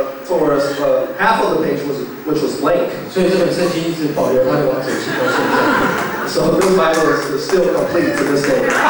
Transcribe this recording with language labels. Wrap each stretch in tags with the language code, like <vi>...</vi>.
<en>Towards half of the page which was blank.</en> <zh>所以这本圣经一直保留它的完整性到现在。</zh> <en>So this Bible is still complete to this day.</en>